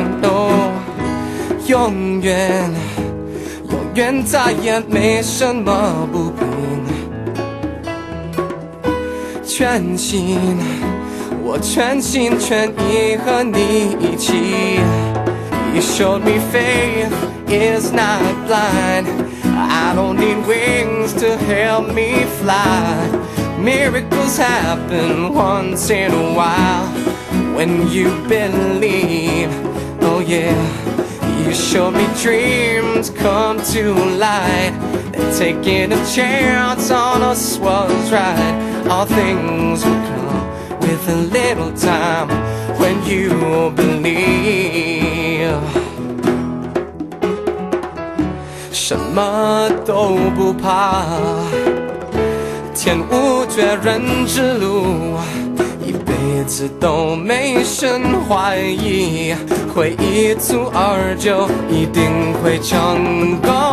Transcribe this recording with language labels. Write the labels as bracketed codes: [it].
[zh] 哦，永远永远再也没什么不平，全心我全心全意和你一起。 [en] You showed me faith is not blind, I don't need wings to help me fly. Miracles happen once in a while when you believe. Oh yeah. You showed me dreams come to light, and taking a chance on us was right. All things will come with a little time when you believe. [zh] 什么都不怕，天无绝人之路，一辈子都没生怀疑，会一蹴而就，一定会成功。